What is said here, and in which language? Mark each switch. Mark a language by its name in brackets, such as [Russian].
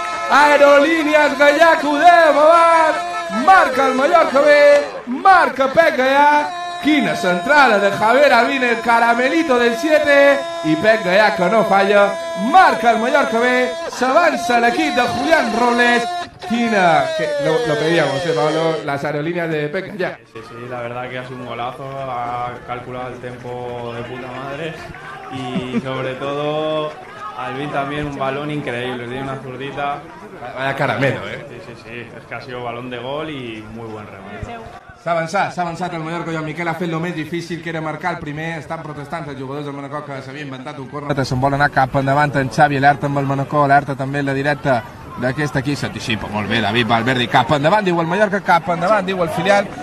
[Catalan] Aerolínies Gallà, Cudem, avant! Marca el Mallorca B, marca Pep Gallà. Quina centrada de Javier Albín, el caramelito del 7. I Pep Gallà, que no falla, marca el Mallorca B. S'avança l'equip de Julián Robles. Quina... [Spanish] Que lo pedíamos, Pablo, las aerolíneas de Pep Gallà. Sí, la verdad que ha sido un golazo. Ha calculado el tempo de puta madre. Y sobre todo... Albín también, un balón increíble, tiene una zurdita. Vaya caramelo, ¿eh? Sí, es que ha sido balón de gol y muy buen remate. [Catalan] S'ha avançat el Mallorca, Joan Miquel ha fet el més difícil, que era marcar el primer. Estan protestant els jugadors del Manacor, que s'havia inventat un córner. Se'n vol anar cap endavant en Xavi, alerta amb el Manacor, alerta també la directa d'aquest aquí. S'anticipa molt bé David Valverde, cap endavant, diu el Mallorca, cap endavant, diu el filial.